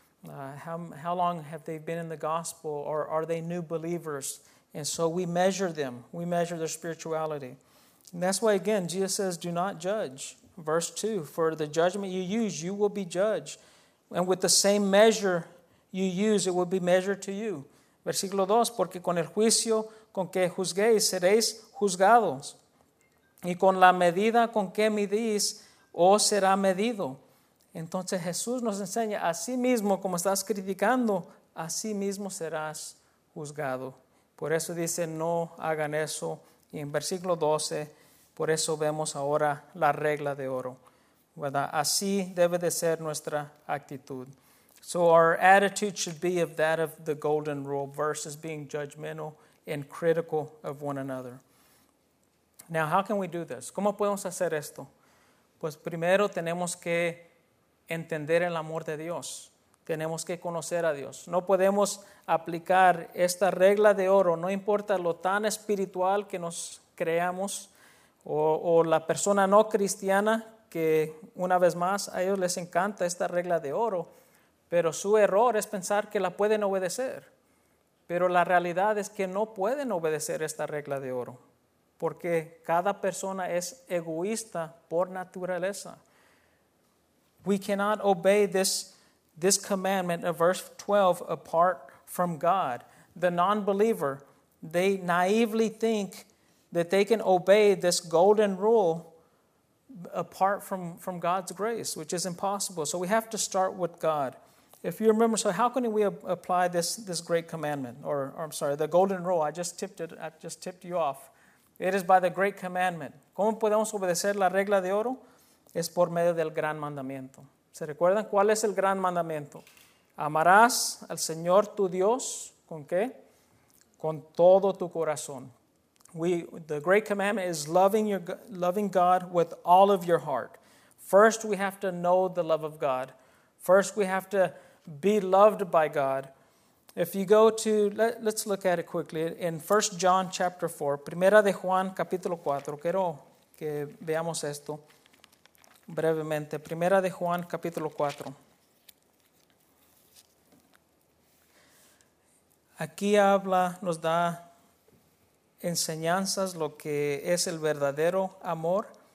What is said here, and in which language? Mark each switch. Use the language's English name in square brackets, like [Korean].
[English] How long have they been in the gospel, or are they new believers? And so we measure them. We measure their spirituality. And that's why, again, Jesus says, do not judge. Verse 2, for the judgment you use, you will be judged. And with the same measure you use, it will be measured to you. [Spanish] Versículo 2, porque con el juicio con que juzguéis, seréis juzgados. Y con la medida con que midís, os será medido. Entonces Jesús nos enseña, así mismo como estás criticando, así mismo serás juzgado. Por eso dice, no hagan eso. Y en versículo 12, por eso vemos ahora la regla de oro. ¿Verdad? Así debe de ser nuestra actitud. [English] So our attitude should be of that of the golden rule versus being judgmental and critical of one another. Now, how can we do this? [Spanish] ¿Cómo podemos hacer esto? Pues primero tenemos que entender el amor de Dios. Tenemos que conocer a Dios. No podemos aplicar esta regla de oro, no importa lo tan espiritual que nos creamos o la persona no cristiana, que una vez más a ellos les encanta esta regla de oro, pero su error es pensar que la pueden obedecer. Pero la realidad es que no pueden obedecer esta regla de oro, porque cada persona es egoísta por naturaleza. [English] We cannot obey this commandment of verse 12 apart from God. The non-believer, they naively think that they can obey this golden rule apart from God's grace, which is impossible. So we have to start with God. If you remember, so how can we apply this great commandment? Or I'm sorry, the golden rule. I just tipped you off. It is by the great commandment. [Spanish] ¿Cómo podemos obedecer la regla de oro? Es por medio del gran mandamiento. ¿Se recuerdan cuál es el gran mandamiento? Amarás al Señor tu Dios, ¿con qué? Con todo tu corazón. [English] The great commandment is loving God with all of your heart. First, we have to know the love of God. First, we have to be loved by God. If you go to, let's look at it quickly. In 1 John chapter 4, [Spanish] Primera de Juan capítulo 4, quiero que veamos esto brevemente. Primera de Juan capítulo 4. Aquí nos da enseñanzas lo que es el verdadero amor.